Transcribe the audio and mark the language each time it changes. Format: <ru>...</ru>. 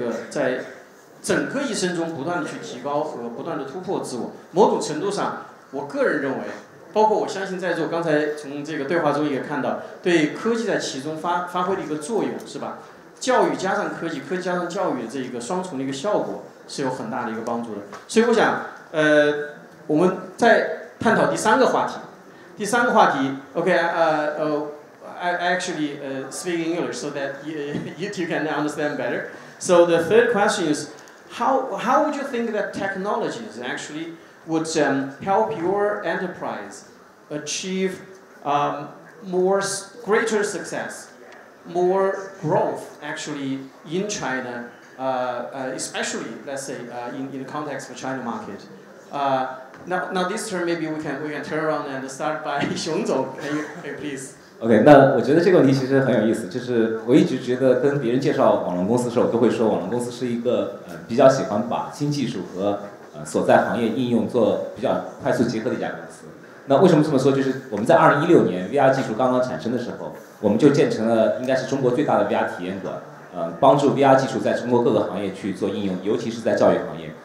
<zh>在整个一生中不断的去提高和不断的突破自我。某种程度上，我个人认为，包括我相信在座刚才从这个对话中也看到，对科技在其中发挥的一个作用，是吧？教育加上科技，科技加上教育的这一个双重的一个效果 是有很大的一个帮助的，所以我想，我们再探讨第三个话题。第三个话题</zh> <en>，OK，I actually speak English so that you two can understand better. So the third question is, how would you think that technologies actually would help your enterprise achieve greater success, more growth actually in China especially, let's say, in the context of China market. Now this term maybe we can turn around and start by Xiong Zong. Can you please?</en> <zh>OK, 那我觉得这个问题其实很有意思，就是我一直觉得跟别人介绍网龙公司的时候，我都会说网龙公司是一个比较喜欢把新技术和所在行业应用做比较快速结合的一家公司。那为什么这么说，就是我们在2016年 VR 技术刚刚产生的时候，我们就建成了应该是中国最大的 VR 体验馆，帮助 VR 技术在中国各个行业去做应用，尤其是在教育行业。</zh>